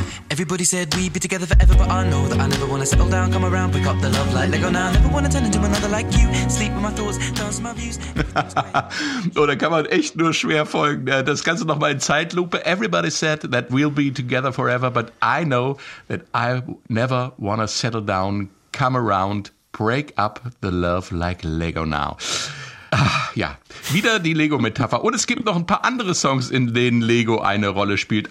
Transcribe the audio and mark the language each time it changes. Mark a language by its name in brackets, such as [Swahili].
[English] Everybody said we'd be together forever, but I know that I never wanna settle down, come around, pick up the love light, let go now. Never wanna turn into another like you, sleep with my thoughts, dance my views. [German] Oder kann man echt nur schwer folgen. Das Ganze nochmal in Zeitlupe. Everybody said that we'll be together forever, but I know that I never wanna settle down, come around, break up the love like Lego now. Ach, ja, wieder die Lego-Metapher. Und es gibt noch ein paar andere Songs, in denen Lego eine Rolle spielt.